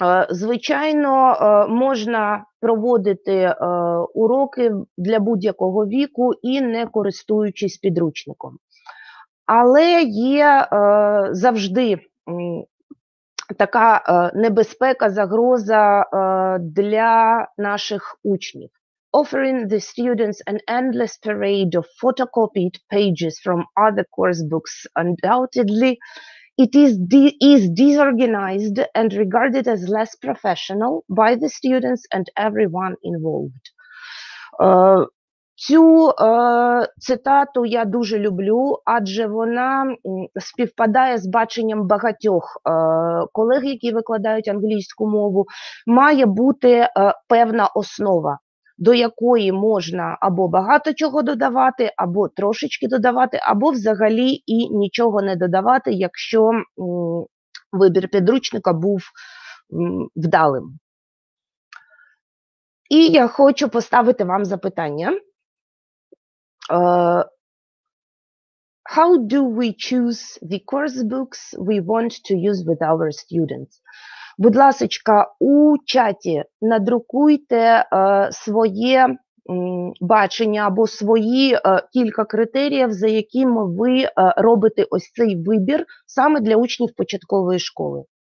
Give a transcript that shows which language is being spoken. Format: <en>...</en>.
<uk>Звичайно, можна проводити уроки для будь-якого віку і не користуючись підручником. Але є завжди така небезпека, загроза для наших учнів.</uk> <en>Offering the students an endless parade of photocopied pages from other course books undoubtedly it is disorganized and regarded as less professional by the students and everyone involved.</en> <uk>Цю цитату я дуже люблю, адже вона співпадає з баченням багатьох колег, які викладають англійську мову. Має бути певна основа, до якої можна або багато чого додавати, або трошечки додавати, або взагалі і нічого не додавати, якщо вибір підручника був вдалим. І я хочу поставити вам запитання.</uk> <en>How do we choose the course books we want to use with our students?</en> <uk>Будь ласочка, у чаті надрукуйте своє бачення або свої кілька критеріїв, за якими ви робите ось цей вибір саме для учнів початкової школи.</uk>